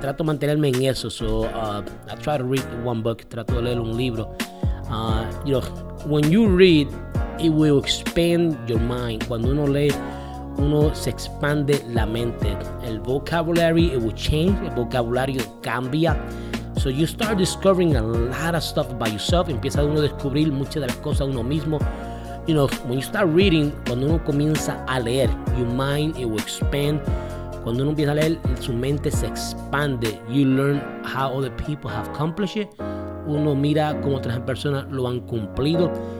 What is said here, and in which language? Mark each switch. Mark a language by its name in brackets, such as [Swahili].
[Spanish] Trato de mantenerme en eso. [English] So, I try to read one book. [Spanish] Trato de leer un libro. [English] You know, when you read, it will expand your mind. [Spanish] Cuando uno lee uno se expande la mente. El [English] vocabulary, it will change. [Spanish] El vocabulario cambia. [English] So you start discovering a lot of stuff about yourself. [Spanish] Empieza uno a descubrir muchas de las cosas uno mismo. [English] You know, when you start reading, [Spanish] cuando uno comienza a leer, [English] your mind, it will expand. [Spanish] Cuando uno empieza a leer, su mente se expande. [English] You learn how other people have accomplished it. [Spanish] Uno mira cómo otras personas lo han cumplido.